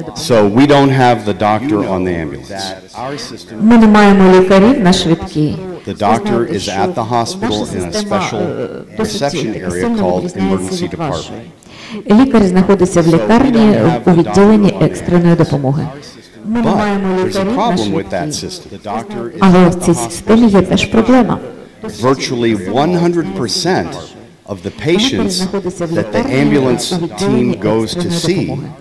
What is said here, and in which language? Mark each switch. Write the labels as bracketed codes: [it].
[en] So we don't have the doctor on the ambulance. [uk] Ми не маємо лікарів на швидкій. [en] The doctor is at the hospital in a special reception area called emergency department. [uk] Лікар знаходиться в лікарні у відділенні екстреної допомоги. Ми не маємо лікарів на швидкій. Але в цій системі є теж проблема. [en] Virtually 100% of the patients that the ambulance team goes to see.